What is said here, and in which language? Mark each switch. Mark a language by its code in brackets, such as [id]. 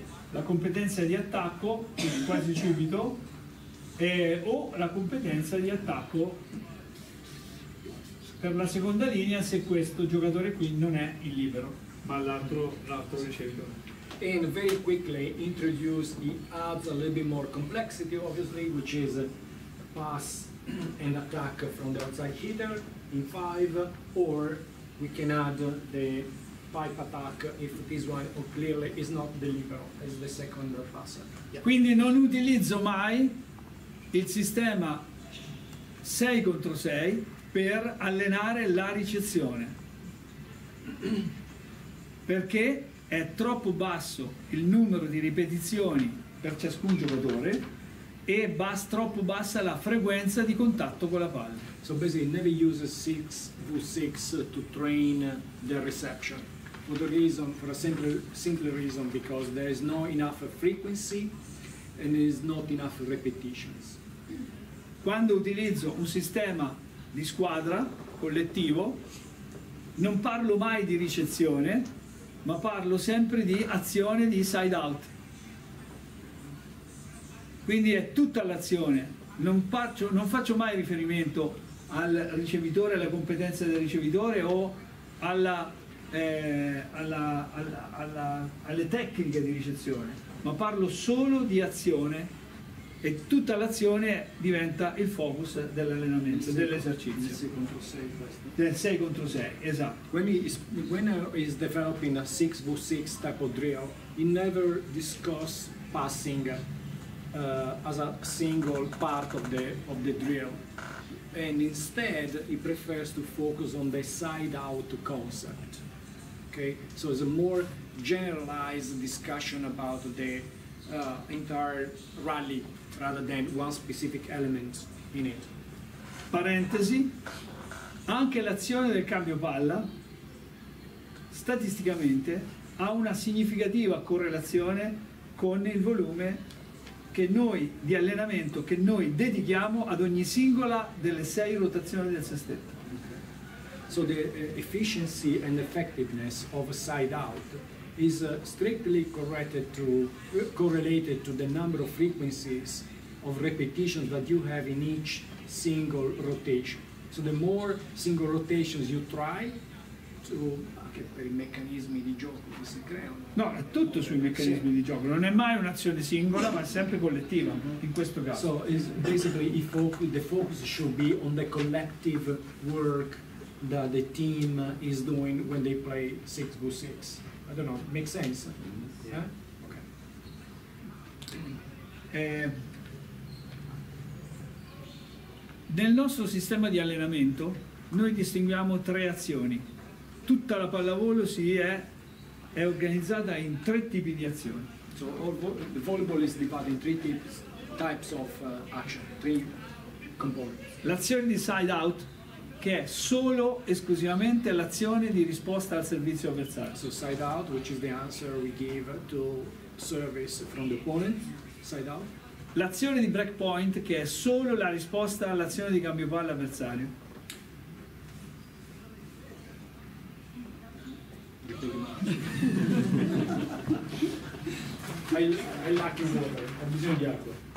[it] la competenza di attacco quasi subito, o la competenza di attacco per la seconda linea se questo giocatore qui non è il libero, ma l'altro ricevitore. [en] And very quickly introduce the adds a little bit more complexity, obviously, which is a pass and attack from the outside hitter in five, or we can add the pipe attack if this one clearly is not the libero, as the second pass. Yeah. [it] Quindi non utilizzo mai il sistema 6 contro 6 per allenare la ricezione. Perché è troppo basso il numero di ripetizioni per ciascun giocatore e troppo bassa la frequenza di contatto con la palla. [en] So basically never use a 6v6 to train the reception. For the reason, for a simple reason, because there is not enough frequency and there is not enough repetitions. [it] Quando utilizzo un sistema di squadra, collettivo, non parlo mai di ricezione, ma parlo sempre di azione di side out. Quindi è tutta l'azione, non faccio mai riferimento al ricevitore, alla competenza del ricevitore o alle tecniche di ricezione, ma parlo solo di azione. E tutta l'azione diventa il focus dell'allenamento, dell'esercizio. Del 6 contro 6, del 6 contro 6, esatto. [en] When he is developing a 6v6 type of drill, he never discuss passing as a single part of the drill. And instead he prefers to focus on the side out concept. Okay? So it's a more generalized discussion about the entire rally, rather than one specific element in it. [it] Parentesi, anche l'azione del cambio palla statisticamente ha una significativa correlazione con il volume che noi di allenamento che noi dedichiamo ad ogni singola delle sei rotazioni del sestetto. [en] Okay. So the efficiency and effectiveness of side out is strictly correlated to the number of frequencies of repetitions that you have in each single rotation. So the more single rotations you try, to [it] anche per i meccanismi di gioco che si creano. No, è tutto sui meccanismi di gioco. Non è mai un'azione singola, ma è sempre collettiva. In questo caso. [en] So is basically the focus should be on the collective work that the team is doing when they play 6v6. I don't know. Makes sense. Yeah. Okay. [it] Nel nostro sistema di allenamento noi distinguiamo tre azioni. Tutta la pallavolo è organizzata in tre tipi di azioni. [en] So the volleyball is divided in three types of action, three components. [it] L'azione di side out, che è solo esclusivamente l'azione di risposta al servizio avversario. [en] So side out, which is the answer we give to service from the opponent, side out. [it] L'azione di break point, che è solo la risposta all'azione di cambio palla avversario. [en] I lack in water, [it] ho bisogno di acqua.